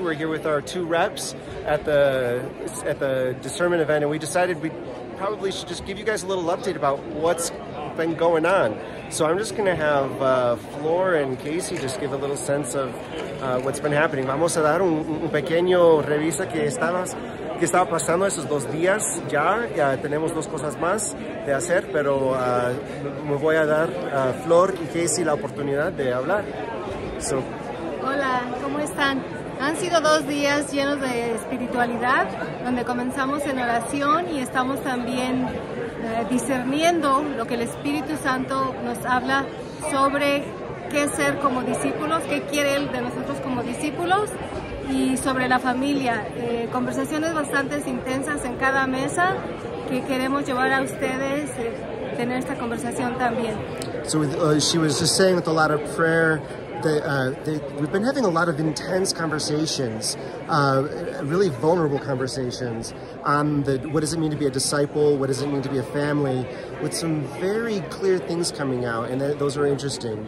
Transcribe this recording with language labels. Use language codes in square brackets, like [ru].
[en] We're here with our two reps at the discernment event, and we decided we probably should just give you guys a little update about what's been going on. So I'm just going to have Flor and Casey just give a little sense of what's been happening. [es] Vamos a dar un pequeño revisa que estaba pasando esos dos días. Ya tenemos dos cosas más de hacer, pero me voy a dar a Flor y Casey la oportunidad de hablar. [en] So. [es] Hola, ¿cómo están? Han sido dos días llenos de espiritualidad, donde comenzamos en oración y estamos también discerniendo lo que el Espíritu Santo nos habla sobre qué ser como discípulos, qué quiere Él de nosotros como discípulos y sobre la familia. Conversaciones bastante intensas en cada mesa que queremos llevar a ustedes, tener esta conversación también. [en] So she was just saying with a lot of prayer, we've been having a lot of intense conversations, really vulnerable conversations on what does it mean to be a disciple, what does it mean to be a family, with some very clear things coming out, and those are interesting.